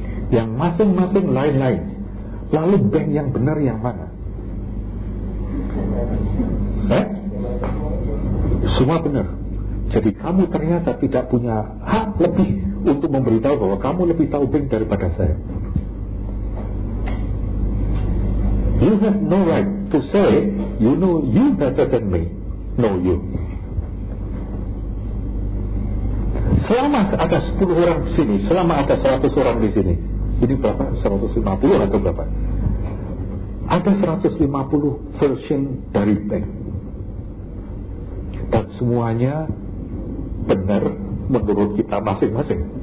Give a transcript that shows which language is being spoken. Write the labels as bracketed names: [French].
[Indonesian] yang masing-masing lain-lain. Lalu bank yang benar yang mana? Eh? Semua benar. Jadi kamu ternyata tidak punya hak lebih untuk memberitahu bahwa kamu lebih tahu bank daripada saya. [English] You have no right to say you know you better than me. No, you. [Indonesian] Selama ada 10 orang di sini, selama ada 100 orang di sini, ini berapa? 150 atau berapa? Ada 150 version dari bank. Dan semuanya benar menurut kita masing-masing.